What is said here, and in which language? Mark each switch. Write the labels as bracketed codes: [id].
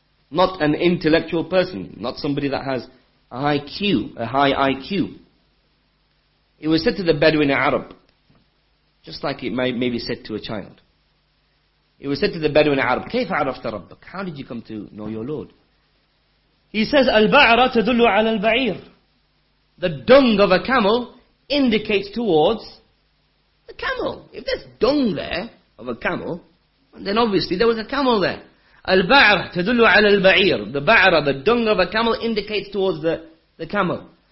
[en] Not an intellectual person, not somebody that has a high IQ. It was said to the Bedouin Arab, just like it may be said to a child. It was said to the Bedouin Arab, [ar] كيف عرفت ربك? [en] How did you come to know your Lord? He says, [ar] البعرة تدل على البعير. [en] The dung of a camel indicates towards the camel. If there's dung there of a camel, then obviously there was a camel there. [ar] البعرة تدل على البعير. [en] The بعرة, the dung of a camel indicates towards the camel.